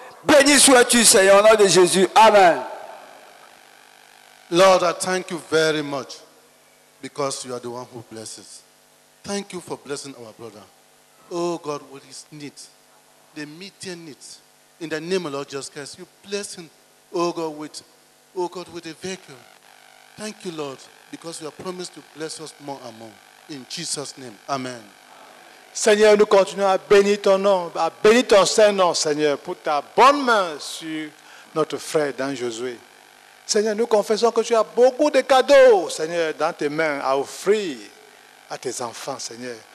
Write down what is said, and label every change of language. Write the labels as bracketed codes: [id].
[fr] Béni sois-tu, Seigneur, au nom de Jésus. Amen. [en] Lord, I thank you very much because you are the one who blesses. Thank you for blessing our brother. Oh God, what his needs, the median needs, in the name of Lord Jesus Christ, you bless him, oh God, with a vehicle. Thank you, Lord, because you have promised to bless us more and more. In Jesus' name, amen. [fr] Seigneur, nous continuons à bénir ton nom, à bénir ton saint nom, Seigneur, pour ta bonne main sur notre frère dans Josué. Seigneur, nous confessons que tu as beaucoup de cadeaux, Seigneur, dans tes mains à offrir à tes enfants, Seigneur.